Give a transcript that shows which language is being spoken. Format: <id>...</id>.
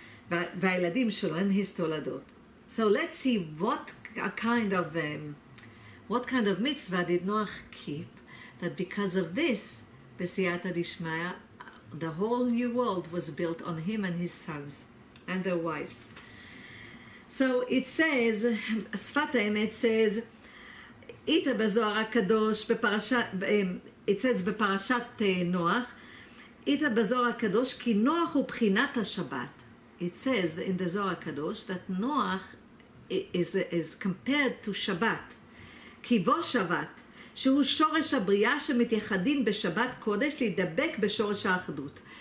<he>Va'iladim shelo,</he> <en>and his toladot. So let's see what kind of mitzvah did Noach keep, that because of this, B'siyata Dishmaya, the whole new world was built on him and his sons and their wives. So it says, Sfat HaEmet says, it says</en> <he>בפרשת נוח, איתה בזוהר הקדוש,</he> <en>כי נוח הוא בחינת השבת. It says in the Zohar Kadosh that נוח is compared to שבת.</en> <he>כי בו שבת, שהוא שורש הבריאה שמתייחדים בשבת קודש להידבק בשורש האחדות.</he>